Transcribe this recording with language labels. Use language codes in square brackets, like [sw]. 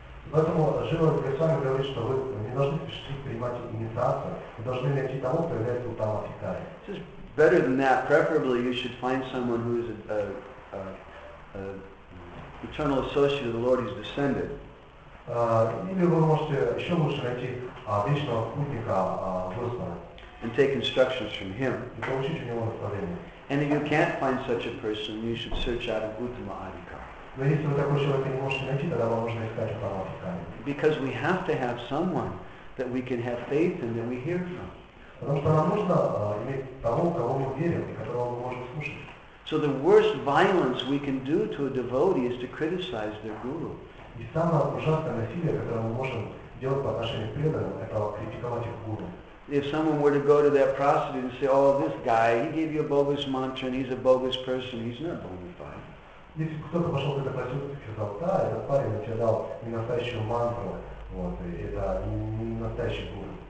[en] He says, better than that, preferably you should find someone who is an eternal associate of the Lord, his descendant. [ru] Или вы можете еще лучше найти вечного путника Господа. [en] And take instructions from him. [ru] И получить у него наставление. [en] And if you can't find such a person, you should search out an Uttama Adhikara. [ru] Но если вы такого человека не можете найти, тогда вам нужно искать Uttama Adhikara. [en] Because we have to have someone that we can have faith in that we hear from. [ru] Потому что нам нужно иметь того, кого мы верим, и которого мы можем слушать. [en] So the worst violence we can do to a devotee is to criticize their guru. [ru] И самое ужасное насилие, которое мы можем делать по отношению к преданным, это критиковать их гуру. [en] If someone were to go to that prostitute and say, oh, this guy, he gave you a bogus mantra and he's a bogus person, he's not bona fide. [ru] Если кто-то пошел к этой проститутке и сказал, да, этот парень тебе дал не настоящую мантру, вот, и это не настоящий гуру.